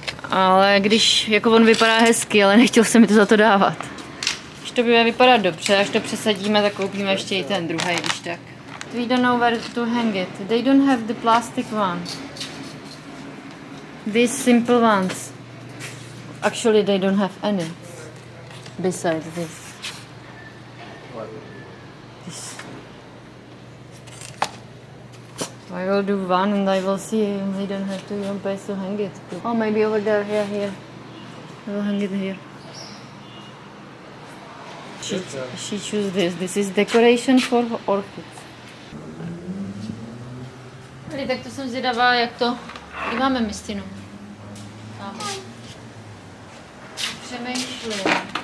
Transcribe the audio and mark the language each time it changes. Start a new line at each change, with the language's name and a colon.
Czech: Ale když, jako on vypadá hezky, ale nechtěl se mi to za to dávat. Když to bude vypadat dobře, až to přesadíme, tak koupíme ještě i ten druhý, když tak.
English: We don't know where to hang it. They don't have the plastic one. These simple ones. Actually, they don't have any. Besides this. I will do one and I will see if they don't have two young place to hang it. Oh, maybe over there, yeah, here. I will hang it here. She choose this. This is decoration for orchids.
Czech: Hele, tak to jsem zvědavá, jak to... Kdy máme mistinu? Přemýšlím.